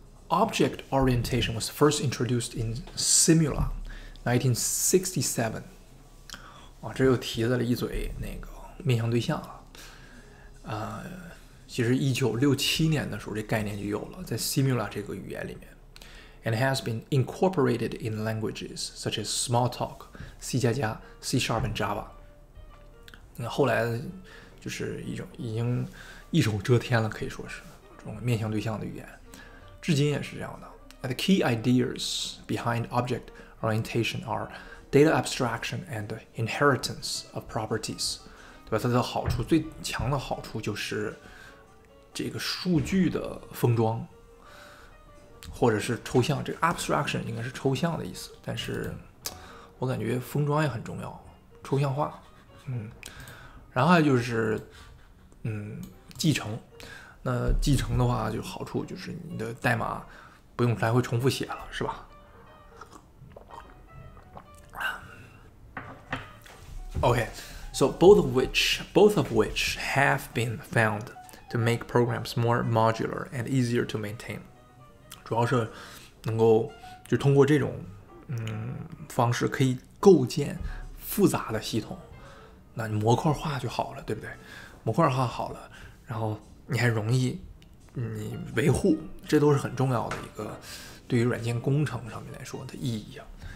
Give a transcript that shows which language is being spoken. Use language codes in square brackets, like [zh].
[en] Object orientation was first introduced in Simula 1967 [zh] 这又提了一嘴那个面向对象了其实1967年的时候这概念就有了在 Simula 这个语言里面 [en] and has been incorporated in languages such as Smalltalk, C++, C Sharp and Java [zh] 后来就是一种已经一手遮天了可以说是这种面向对象的语言至今也是这样的 [en] and the key ideas behind object orientation are data abstraction and inheritance of properties [zh] 对吧它的好处最强的好处就是这个数据的封装或者是抽象这个 abstraction 应该是抽象的意思但是我感觉封装也很重要抽象化然后就是继承那继承的话就好处就是你的代码不用来回重复写了是吧 [en] OK So both of which have been found to make programs more modular and easier to maintain. [zh] 主要是能够就通过这种方式可以构建复杂的系统，那你模块化就好了，对不对？模块化好了，然后你还容易你维护，这都是很重要的一个对于软件工程上面来说的意义啊。